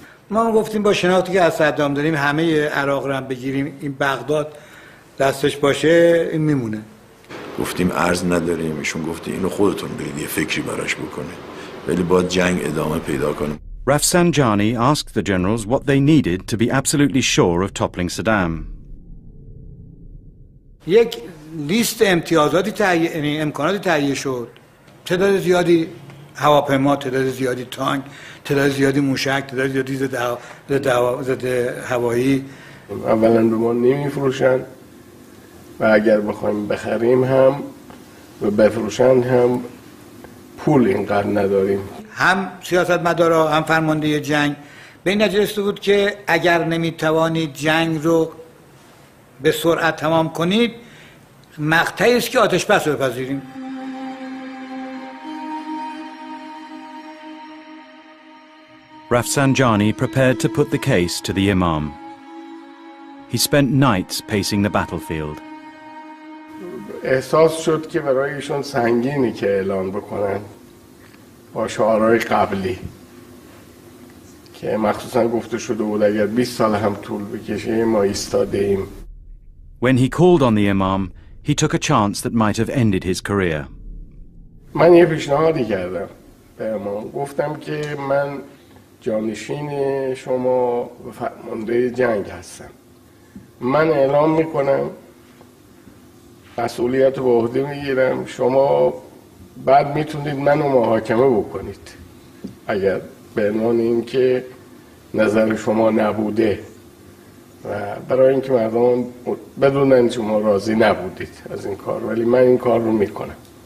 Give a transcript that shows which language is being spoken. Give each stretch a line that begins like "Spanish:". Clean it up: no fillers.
Persian: ما هم گفتیم با شناختی که از صدام داریم همه عراق رو هم بگیریم این بغداد دستش باشه این میمونه گفتیم عرض نداریم ایشون گفت اینو خودتون برید یه فکری براش بکنید ولی باید جنگ ادامه پیدا کنه
English: Rafsanjani asked the generals what they needed to be absolutely sure of toppling Saddam
Persian: یک لیست امتیازاتی تهیه یعنی امکاناتی تهیه شد تعداد زیادی هواپیما تعداد زیادی تانک تعداد زیادی موشک تعداد زیادی ضد هوایی اولا به ما نمیفروشن و اگر بخوایم بخریم هم و بفروشن هم پول اینقدر نداریم هم سیاست مدارا هم فرمانده جنگ به این نجرسته بود که اگر نمیتوانید جنگ رو به سرعت تمام کنید مقطعی است که آتش بس رو بپذیریم
English: Rafsanjani prepared to put the case to the Imam. He spent nights pacing the battlefield.
Persian: احساس شد که برایشون سنگینی که اعلان بکنن با شعارهای قبلی که مخصوصا گفته شده بود اگر 20 سال هم طول بکشه ما ایستاده ایم.
English: When he called on the Imam, he took a chance that might have ended his career.
Persian: من یه پیشنهادی کردم به امام. گفتم که من جانشین شما و فرمانده جنگ هستم من اعلام میکنم مسئولیت رو به عهده میگیرم شما بعد میتونید منو محاکمه بکنید اگر به عنوان اینکه نظر شما نبوده و برای اینکه مردم بدونن شما راضی نبودید از این کار ولی من این کار رو میکنم